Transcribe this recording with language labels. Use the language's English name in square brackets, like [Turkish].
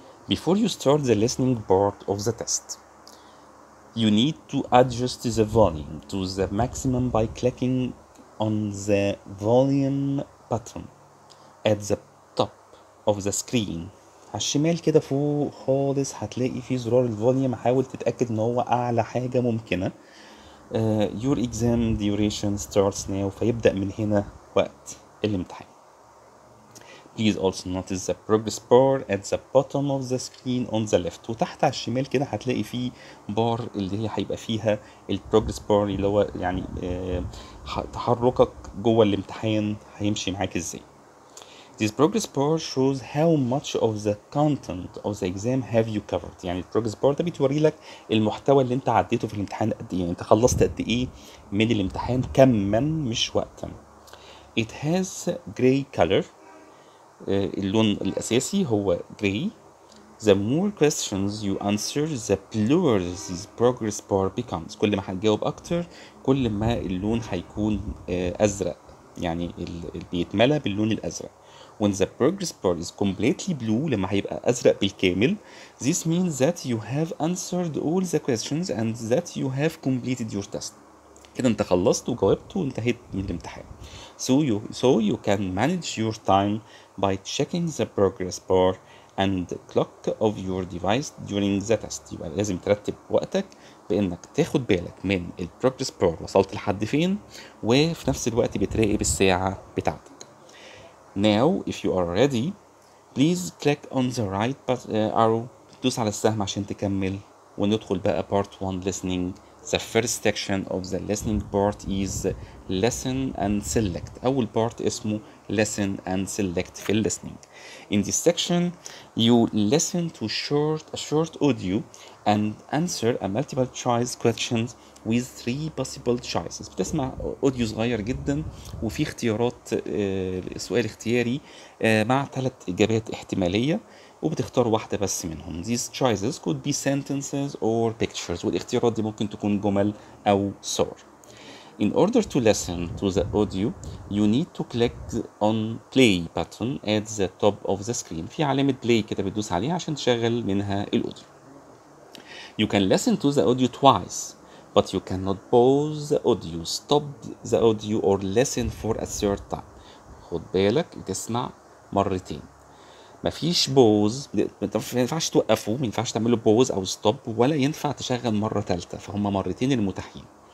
[English] Before you start the listening part of the test, you need to adjust the volume to the maximum by clicking on the volume button at the top of the screen. [Arabic] على الشمال كده فوق خالص هتلاقي في زرار الفوليوم. حاول تتأكد ان هو اعلى حاجة ممكنة. [English] Your exam duration starts now. [Arabic] فيبدأ من هنا وقت الامتحان. [English] Please also notice the progress bar at the bottom of the screen on the left. [Arabic] وتحت على الشمال كده هتلاقي في بار اللي هي هيبقى فيها البروجرس بار اللي هو يعني تحركك جوه الامتحان هيمشي معاك ازاي. [English] This progress bar shows how much of the content of the exam have you covered. [Arabic] يعني progress bar ده بيتوري لك المحتوى اللي انت عديته في الامتحان قد ايه. انت خلصت قد ايه من الامتحان كما مش وقتا. [English] It has gray color. [Arabic] اللون الاساسي هو [English] gray. The more questions you answer the bluer this progress bar becomes. [Arabic] كل ما هتجاوب اكتر كل ما اللون هيكون ازرق. يعني بيتملى باللون الازرق. [English] When the progress bar is completely blue, [Arabic] لما هيبقى أزرق بالكامل, [English] this means that you have answered all the questions and that you have completed your test. [Arabic] كده انت خلصت وجاوبت وانتهيت من الامتحان. [English] So you can manage your time by checking the progress bar and the clock of your device during the test. [Arabic] يبقى لازم ترتب وقتك بإنك تاخد بالك من البروجريس بار وصلت لحد فين، وفي نفس الوقت بتراقب الساعة بتاعتك. [English] Now if you are ready please click on the right arrow، [Arabic] تدوس على السهم عشان تكمل. وندخل بقى part 1 listening. [English] The first section of the listening part is listen and select. [Arabic] أول part اسمه listen and select في listening. [English] In this section you listen to a short audio and answer a multiple choice questions with three possible choices. [Arabic] بتسمع أوديو صغير جدا وفي اختيارات سؤال اختياري مع ثلاث إجابات احتمالية وبتختار واحدة بس منهم. [English] These choices could be sentences or pictures. [Arabic] والاختيارات دي ممكن تكون جمل أو صور. [English] In order to listen to the audio you need to click on play button at the top of the screen. [Arabic] في علامة play كده بتدوس عليها عشان تشغل منها الأوديو. [English] You can listen to the audio twice but you cannot pause the audio, stop the audio or listen for a third time. [Arabic] خد بالك تسمع مرتين، مفيش بوز، مينفعش توقفه، مينفعش تعمله بوز او ستوب، ولا ينفع تشغل مرة تالتة، فهما مرتين المتاحين.